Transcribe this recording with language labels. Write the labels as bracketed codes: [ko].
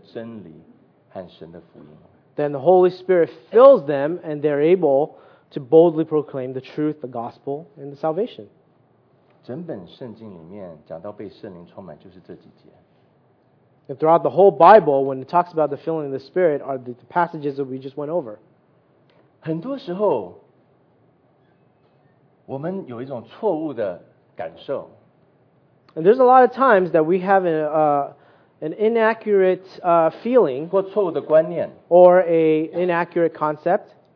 [zh] 圣灵充满他们，让他们能够放胆地讲出神的作为、神的真理和神的福音。 [en] Then the Holy Spirit fills them, and they're able to boldly proclaim the truth, the gospel, and the salvation. [zh] 整本圣经里面讲到被圣灵充满就是这几节。 [en] And throughout the whole Bible, when it talks about the filling of the Spirit, are the passages that we just went over. [zh] 很多时候，我们有一种错误的感受。 [en] And there's a lot of times that we have an inaccurate feeling, [zh] 或错误的观念, [en] or an inaccurate concept.